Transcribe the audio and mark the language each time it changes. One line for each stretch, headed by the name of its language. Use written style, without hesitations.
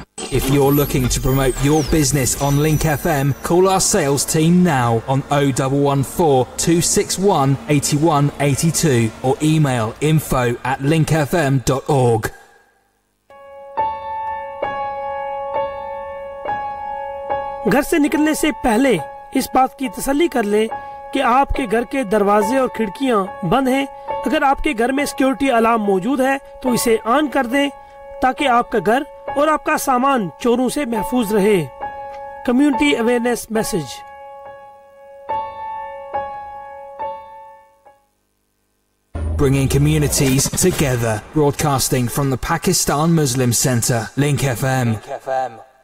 English: If you're looking to promote your business on Link FM, call our sales team now on 0114 261 8182 or email info@linkfm.org.
Hindi: घर से निकलने से पहले इस बात की तसल्ली कर ले कि आपके घर के दरवाजे और खिड़कियां बंद हैं। अगर आपके घर में सिक्योरिटी अलार्म मौजूद है तो इसे ऑन कर दें, ताकि आपका घर और आपका सामान चोरों से महफूज रहे।
English: Community awareness message. Bringing communities together, broadcasting from the Pakistan Muslim Center, Link FM.